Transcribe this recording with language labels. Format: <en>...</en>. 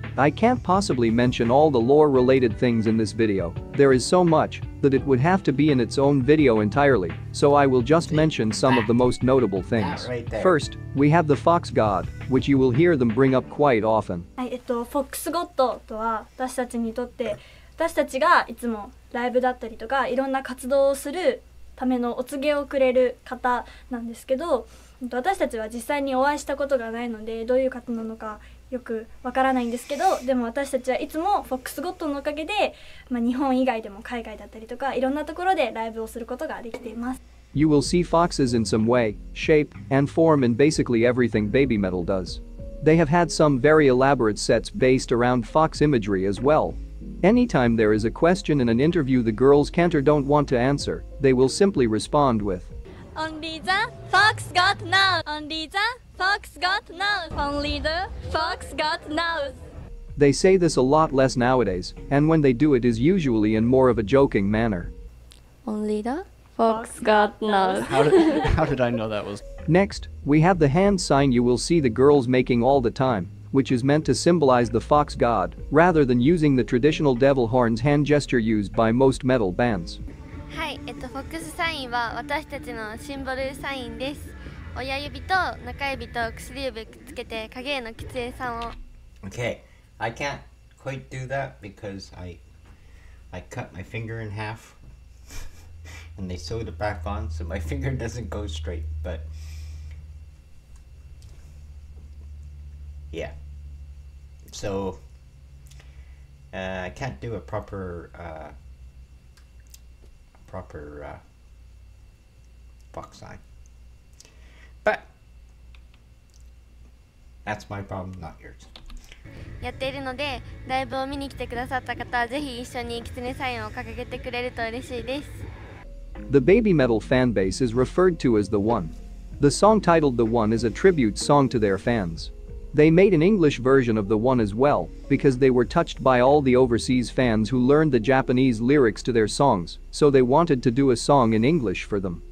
<en>I can't possibly mention all the lore-related things in this video. There is so much that it would have to be in its own video entirely, so I will just mention some of the most notable things. First, we have the Fox God, which you will hear them bring up quite often. Fox God.</en> <ja>私たちがいつもライブだったりとかいろんな活動をするためのお告げをくれる方なんですけど、私たちは実際にお会いしたことがないのでどういう方なのかよくわからないんですけど、でも私たちはいつもフォックスゴッドのおかげで、まあ、日本以外でも海外だったりとかいろんなところでライブをすることができています。</ja> <en>You will see foxes in some way, shape, and form in basically everything Babymetal does. They have had some very elaborate sets based around fox imagery as well. Anytime there is a question in an interview the girls can't or don't want to answer, they will simply respond with Only the fox got nose. Only the fox got nose. Only the fox got nose. They say this a lot less nowadays, and when they do it is usually in more of a joking manner. Only the fox got nose. How did I know that was? Next, we have the hand sign you will see the girls making all the time, which is meant to symbolize the fox god, rather than using the traditional devil horns hand gesture used by most metal bands.</en> <ja>はい、フォックスサインは私たちのシンボルサインです。親指と中指と薬指くっつけて影絵のキツエさんを。</ja> <en>Okay, I can't quite do that because I cut my finger in half and they sewed it back on so my finger doesn't go straight, but yeah, so I can't do a proper fox sign, but that's my problem, not yours.</en> <ja>やっているので、ライブを見に来てくださった方はぜひ一緒にキツネサインを掲げてくれると嬉しいです。</ja> <en>The Babymetal fan base is referred to as The One. The song titled The One is a tribute song to their fans. They made an English version of The One as well, because they were touched by all the overseas fans who learned the Japanese lyrics to their songs, so they wanted to do a song in English for them.</en>